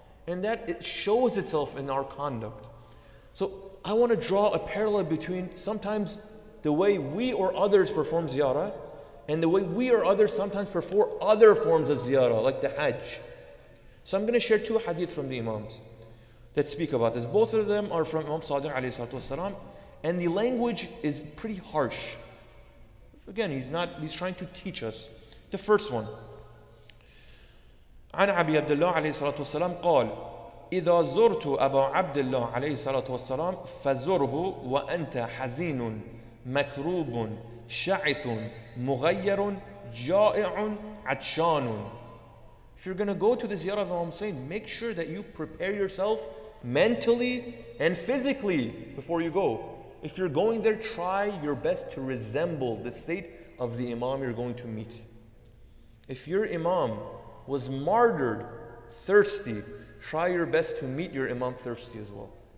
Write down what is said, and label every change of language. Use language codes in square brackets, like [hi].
[en] And that it shows itself in our conduct. So I want to draw a parallel between sometimes the way we or others perform ziyarah and the way we or others sometimes perform other forms of ziyarah, like the hajj. So I'm going to share two hadith from the imams that speak about this. Both of them are from Imam Sadiq alayhi salatu wasalam, and the language is pretty harsh. Again, he's trying to teach us. The first one. [ar] عن أبي عبد الله عليه الصلاة والسلام قال إذا زرت أبا عبد الله عليه الصلاة والسلام فزره وأنت حزين مكروب شعث مغير جائع عطشان. [en] If you're going to go to the ziyarah of Imam Hussein, make sure that you prepare yourself mentally and physically before you go. If you're going there, try your best to resemble the state of the imam you're going to meet. If your imam was martyred, thirsty, try your best to meet your imam thirsty as well.